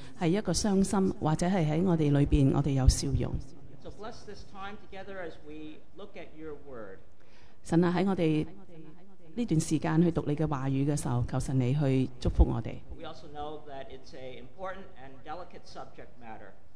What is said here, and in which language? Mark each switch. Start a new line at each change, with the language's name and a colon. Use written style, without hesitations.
Chinese: 是一个伤心，或者是在我们里面我们有笑容。
English: So bless this time together as we look at your word.
Chinese: 神啊，在我们这段时间去读你的话语的时候，求神你去祝福我们。
English: We also know that it's an important and delicate subject matter.